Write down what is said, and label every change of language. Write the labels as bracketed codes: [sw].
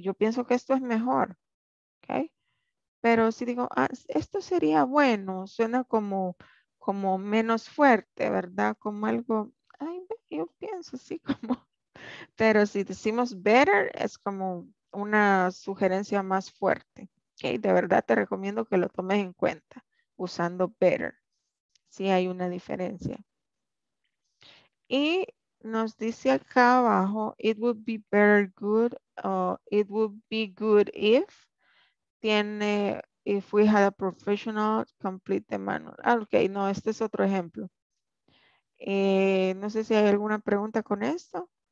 [es] Yo pienso que esto es mejor. Okay. Pero si digo, esto sería bueno, suena como menos fuerte, ¿verdad? Como algo, yo pienso así como. Pero si decimos better, es como una sugerencia más fuerte. Okay. De verdad te recomiendo que lo tomes en cuenta usando better. Sí hay una diferencia. Y nos dice acá abajo, [en] it would be better good, it would be good if, tiene, if we had a professional complete the manual. [es] Ah, okay, no, este es otro ejemplo. No sé si hay alguna pregunta con esto.